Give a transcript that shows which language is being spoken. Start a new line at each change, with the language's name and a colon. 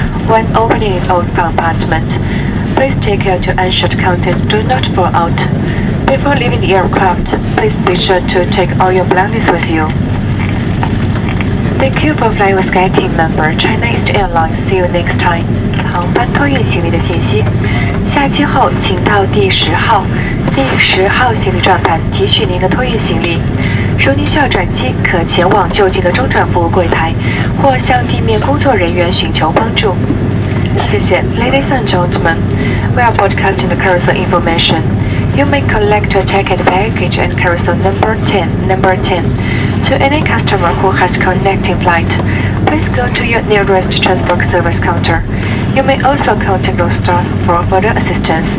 English: When opening it or compartment, please take care to ensure the contents do not fall out. Before leaving the aircraft, please be sure to take all your belongings with you. Thank you for flying with Sky Team member China Eastern Airlines. See you next time.
Chinese: 航班托运行李的信息，下机后请到第十号，第十号行李转盘提取您的托运行李。如您需要转机，可前往就近的中转服务柜台，或向地面工作人员寻求帮助。谢谢
English: ，Ladies and gentlemen, we are broadcasting the carousel information. You may collect your ticket baggage and carousel number 10, to any customer who has connecting flight. Please go to your nearest transport service counter. You may also contact your staff for further assistance.